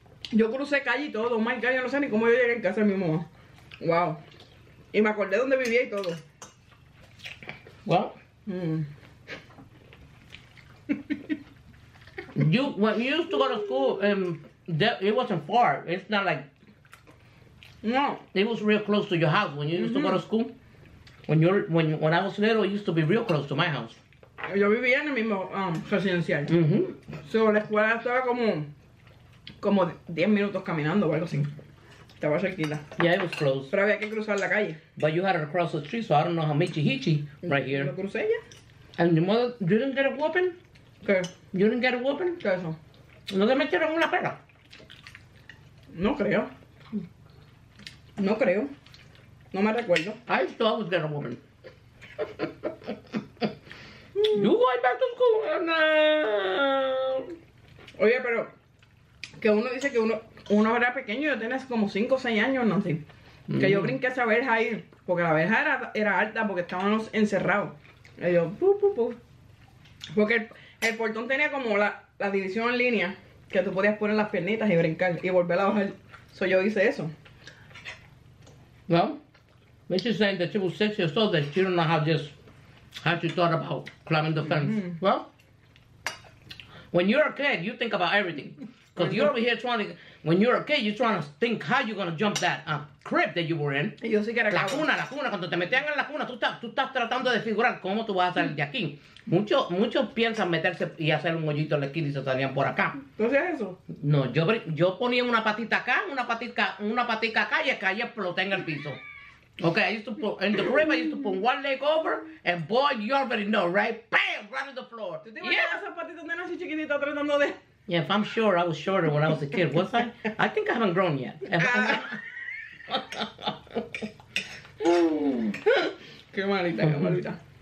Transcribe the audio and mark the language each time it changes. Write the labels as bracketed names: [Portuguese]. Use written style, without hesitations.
[Spanish] Yo crucé calle y todo. [English] Oh my God, [Spanish] yo no sé ni cómo yo llegué en casa de mi mamá. Wow. Y me acordé dónde vivía y todo. [English] Well. When you used to go to school, it wasn't far. It's not like, no, it was real close to your house when you used to go to school. When I was little, it used to be real close to my house. [Spanish] Yo vivía en el mismo residencial. [English] So [Spanish] la escuela estaba como 10 minutos caminando o algo así. Estaba cerquita. [English] Yeah, it was close. [Spanish] Pero había que cruzar la calle. [English] But you had to cross the street, so I don't know how Michi Hichi right here. [Spanish] Lo crucé ya. [English] And your mother, you didn't get a whooping? [Spanish] ¿Qué? [English] You didn't get a whooping? [Spanish] ¿Qué es eso? ¿No te metieron una pera? No creo. No creo. No me recuerdo. [English] I used to always get a whooping. You going back to school now? [Spanish] Oye, pero que uno dice que uno era pequeño, yo tenía como 5 o 6 años, no sé. Que yo brinqué esa verja ahí, porque la verja era alta porque estábamos encerrados. Y yo, pu, pu, pu. Porque el portón tenía como la división en línea que tú podías poner las piernitas y brincar y volver a bajar. So yo hice eso. [English] Well, Mitch is saying that she was 6 years old, that she don't know how she thought about climbing the fence. Mm-hmm. Well, when you're a kid, you think about everything. Because you're over here trying to, when you're a kid, you're trying to think how you're going to jump that crib that you were in. [Spanish] Yo sí que era la cuna, la cuna. Cuando te metían en la cuna, tú estás tratando de figurar cómo tú vas a salir de aquí. Muchos piensan meterse y hacer un hoyito en la esquina y se salían por acá. ¿Entonces eso? No, yo ponía una patita acá, una patita acá y acá y exploté en el piso. [English] Okay, I used to put one leg over, and boy, you already know, right? Bam! Right on the floor. [Spanish] ¿Tú te imaginas esas patitas de noche chiquitita tratando de...? [English] Yeah, if I'm sure, I was shorter when I was a kid. Was I? I think I haven't grown yet. [Spanish] Qué malita.